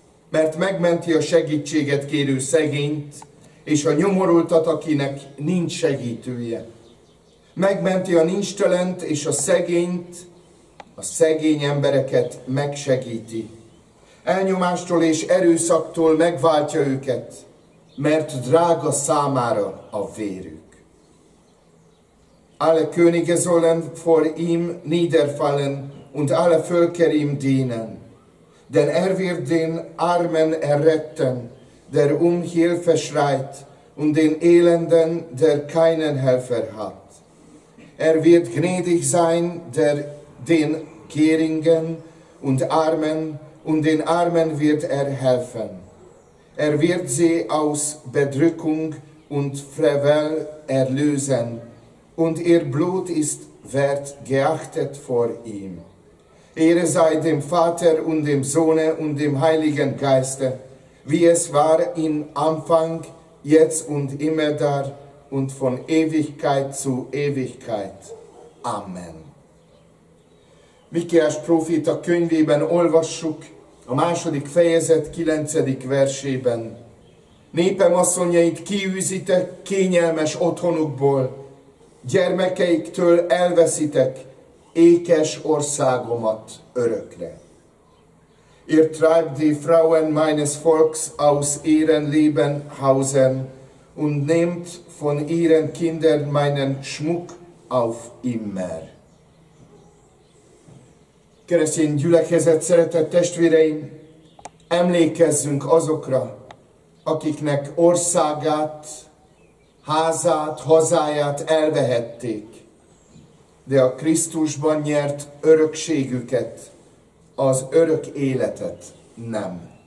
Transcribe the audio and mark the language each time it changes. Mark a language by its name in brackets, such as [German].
[Hungarian] Mert megmenti a segítséget kérő szegényt, és a nyomorultat, akinek nincs segítője. Megmenti a nincstelent és a szegényt, a szegény embereket megsegíti. Elnyomástól és erőszaktól megváltja őket, mert drága számára a vérük. [German] Alle Könige sollen vor ihm niederfallen und alle Völker ihm dienen. Denn wird den Armen erretten, der Hilfe schreit, und den Elenden, der keinen Helfer hat. Wird gnädig sein, der den Geringen und Armen, und den Armen wird helfen. Wird sie aus Bedrückung und Frevel erlösen, und ihr Blut ist wert geachtet vor ihm. Ehre sei dem Vater und dem Sohne und dem Heiligen Geiste, wie es war im Anfang, jetzt und immer da und von Ewigkeit zu Ewigkeit. Amen. [Hungarian] Mikiás prófita könyvében olvassuk a második fejezet 9. versében. Népem asszonyait kiűzitek kényelmes otthonukból, gyermekeiktől elveszitek ékes országomat örökre. [German] Ihr treibt die Frauen meines Volks aus ihren Lebenhausen und nehmt von ihren Kindern meinen Schmuck auf immer. [Hungarian] Keresztény gyülekezet, szeretett testvéreim, emlékezzünk azokra, akiknek országát, házát, hazáját elvehették, de a Krisztusban nyert örökségüket, az örök életet nem.